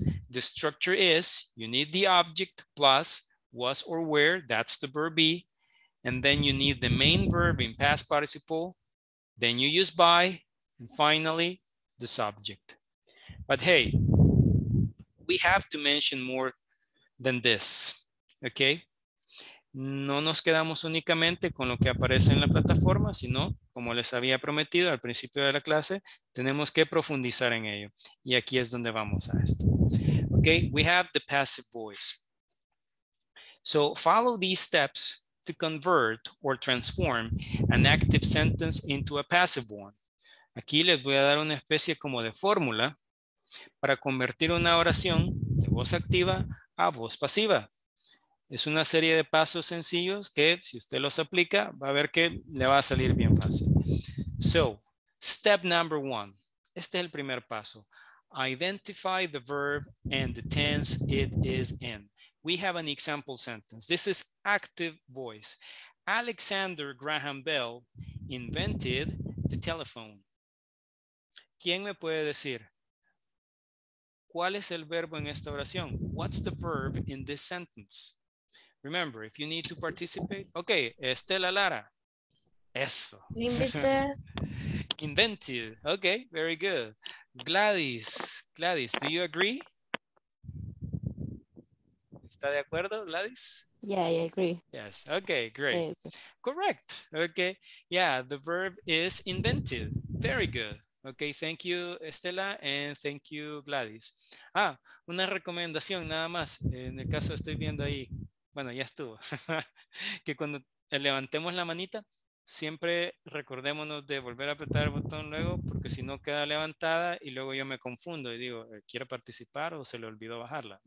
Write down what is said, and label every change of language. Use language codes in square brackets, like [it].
[en] The structure is, you need the object plus was or were, that's the verb be. And then you need the main verb in past participle. Then you use by, and finally, the subject. But hey, we have to mention more than this, okay? [es] No nos quedamos únicamente con lo que aparece en la plataforma, sino, como les había prometido al principio de la clase, tenemos que profundizar en ello. Y aquí es donde vamos a esto. Okay, [en] we have the passive voice. So follow these steps to convert or transform an active sentence into a passive one. [es] Aquí les voy a dar una especie como de fórmula para convertir una oración de voz activa a voz pasiva. Es una serie de pasos sencillos que si usted los aplica, va a ver que le va a salir bien fácil. [en] So, step number one. [es] Este es el primer paso. [en] Identify the verb and the tense it is in. We have an example sentence. This is active voice. Alexander Graham Bell invented the telephone. [es] ¿Quién me puede decir? ¿Cuál es el verbo en esta oración? [en] What's the verb in this sentence? Remember, if you need to participate. Okay, Estela Lara. Eso. Invented. Okay, very good. Gladys, do you agree? [es] ¿Está de acuerdo, Gladys? [en] Yeah, I agree. Yes, okay, great. Correct, okay. Yeah, the verb is invented. Very good. Okay, thank you, Estela, and thank you, Gladys. [es] Ah, una recomendación nada más. En el caso estoy viendo ahí, bueno, ya estuvo. Que cuando levantemos la manita, siempre recordémonos de volver a apretar el botón luego, porque si no queda levantada y luego yo me confundo y digo, ¿quiere participar o se le olvidó bajarla?